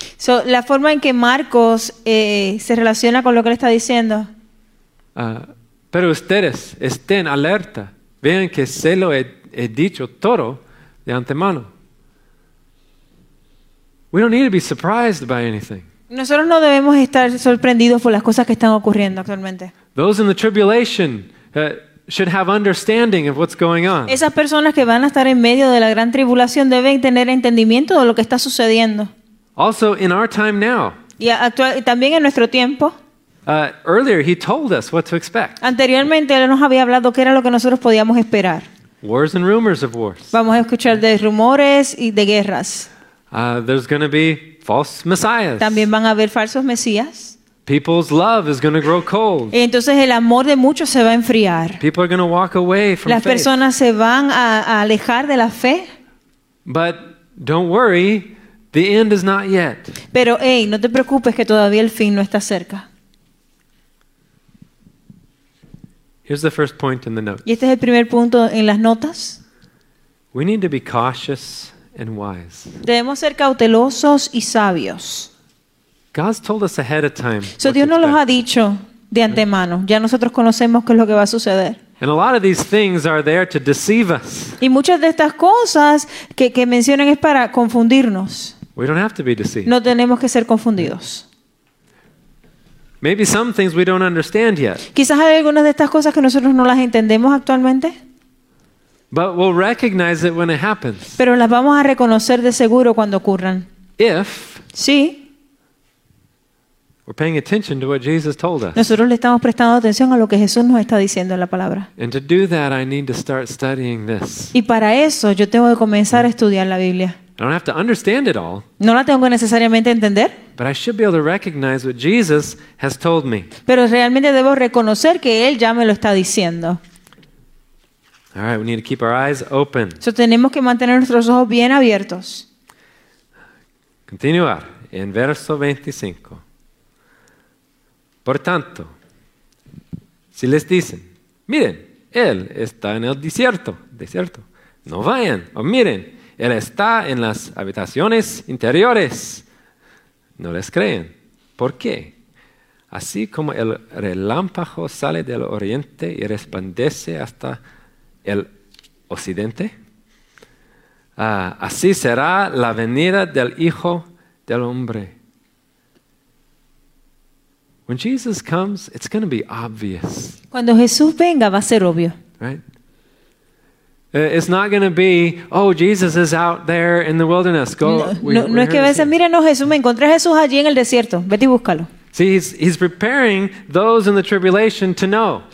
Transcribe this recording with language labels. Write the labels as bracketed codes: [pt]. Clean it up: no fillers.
[es] So la forma en que Marcos se relaciona con lo que le está diciendo. Pero ustedes estén alerta. Vean que se lo he dicho todo de antemano. [en] We don't need to be surprised by anything. [es] Nosotros no debemos estar sorprendidos por las cosas que están ocurriendo actualmente. [en] Those in the tribulation. should have understanding of what's going on. [es] Esas personas que van a estar en medio de la gran tribulación deben tener entendimiento de lo que está sucediendo. [en] Also in our time now. [es] Y también en nuestro tiempo. [en] Earlier he told us what to expect. [es] Anteriormente él nos había hablado qué era lo que nosotros podíamos esperar. [en] Wars and rumors of wars. [es] Vamos a escuchar de rumores y de guerras. [en] There's going to be false messiahs. [es] También van a haber falsos mesías. [en] People's love is going to grow cold. [es] Y entonces el amor de muchos se va a enfriar. [en] People are going to walk away from faith. [es] Las personas se van a alejar de la fe. [en] But don't worry, the end is not yet. [es] Pero hey, no te preocupes que todavía el fin no está cerca. [en] Here's the first point in the notes. [es] Y este es el primer punto en las notas. [en] We need to be cautious and wise. [es] Debemos ser cautelosos y sabios. [en] God's told us ahead of time. [es] So Dios nos lo ha dicho de antemano. Ya nosotros conocemos qué es lo que va a suceder. [en] And a lot of these things are there to deceive us. [es] Y muchas de estas cosas que mencionan es para confundirnos. [en] We don't have to be deceived. [es] No tenemos que ser confundidos. [en] Maybe some things we don't understand yet. [es] Quizás hay algunas de estas cosas que nosotros no las entendemos actualmente. [en] But we'll recognize it when it happens. [es] Pero las vamos a reconocer de seguro cuando ocurran. [en] If [es] sí. [en] We're paying attention to what Jesus told us. [es] Nosotros le estamos prestando atención a lo que Jesús nos está diciendo en la palabra. [en] And to do that, I need to start studying this. [es] Y para eso yo tengo que comenzar a estudiar la Biblia. [en] I don't have to understand it all. [es] No la tengo que necesariamente entender. [en] But I should be able to recognize what Jesus has told me. [es] Pero realmente debo reconocer que él ya me lo está diciendo. [en] All right, we need to keep our eyes open. [es] So tenemos que mantener nuestros ojos bien abiertos. Continuar en verso 25. Por tanto, si les dicen, miren, él está en el desierto, no vayan. O miren, él está en las habitaciones interiores, no les creen. ¿Por qué? Así como el relámpago sale del oriente y resplandece hasta el occidente, así será la venida del Hijo del Hombre. [en] When Jesus comes, it's going to be obvious. [es] Cuando Jesús venga, va a ser obvio. [en] Right? It's not going to be, oh, Jesus is out there in the wilderness. Go. [es] No es que va a decir, mira, no, Jesús, me encontré a Jesús allí en el desierto. Vete y búscalo. [en] See, he's preparing those in the tribulation to know.